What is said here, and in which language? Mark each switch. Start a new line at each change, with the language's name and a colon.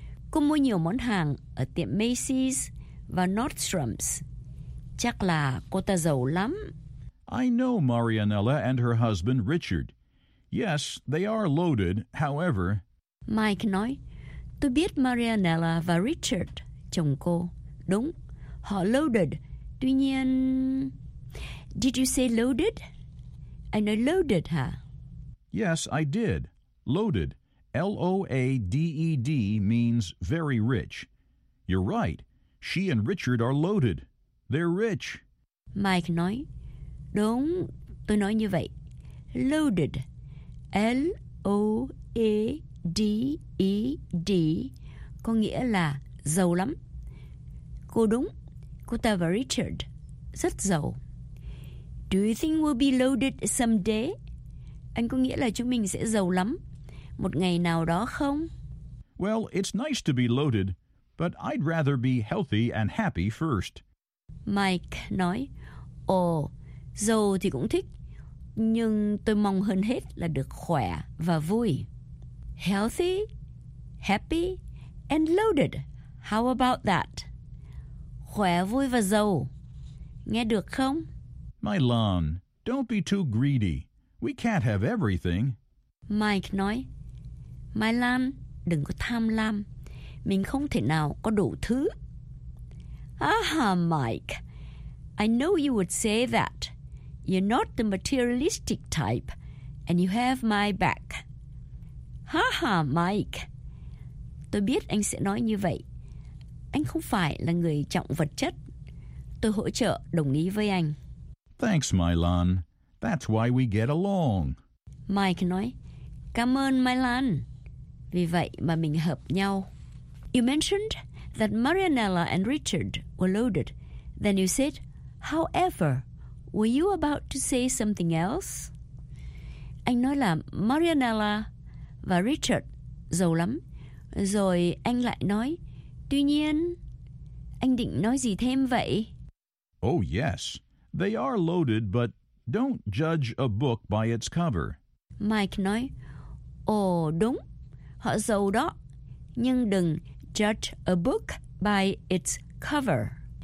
Vietnamese: Cô mua nhiều món hàng ở tiệm Macy's và Nordstrom's. Chắc là cô ta giàu lắm.
English: I know Marianella and her husband Richard. Yes, they are loaded, however.
Vietnamese: Mike nói, tôi biết Marianella và Richard, chồng cô. Đúng, họ loaded. Tuy nhiên...
English: Did you say loaded?
Vietnamese: Anh nói loaded, hả?
English: Yes, I did. Loaded. L-O-A-D-E-D means very rich. You're right. She and Richard are loaded. They're rich.
Vietnamese: Mike nói, đúng, tôi nói như vậy. Loaded. L-O-A-D-E-D có nghĩa là giàu lắm. Cô đúng, cô ta và Richard rất giàu.
English: Do you think we'll be loaded someday?
Vietnamese: Anh có nghĩa là chúng mình sẽ giàu lắm một ngày nào đó không?
English: Well, it's nice to be loaded, but I'd rather be healthy and happy first.
Vietnamese: Mike nói, giàu thì cũng thích, nhưng tôi mong hơn hết là được khỏe và vui.
English: Healthy, happy, and loaded. How about that?
Vietnamese: Khỏe, vui và giàu. Nghe được không?
English: My Lan, don't be too greedy. We can't have everything.
Vietnamese: Mike nói, Mai Lan, đừng có tham lam. Mình không thể nào có đủ thứ. Aha, Mike.
English: I know you would say that. You're not the materialistic type, and you have my back. Haha, Mike.
Vietnamese: Tôi biết anh sẽ nói như vậy. Anh không phải là người trọng vật chất. Tôi hỗ trợ đồng ý với anh.
English: Thanks, Mai Lan. That's why we get along.
Vietnamese: Mike nói, cảm ơn Mai Lan. Vì vậy mà mình hợp nhau.
English: You mentioned that Marianella and Richard were loaded. Then you said, however, were you about to say something else?
Vietnamese: Anh nói là Marianella và Richard giàu lắm. Rồi anh lại nói, tuy nhiên, anh định nói gì thêm vậy?
English: Oh yes, they are loaded, but don't judge a book by its cover.
Vietnamese: Mike nói, ồ đúng, họ giàu đó, nhưng đừng
English: judge a book by its cover.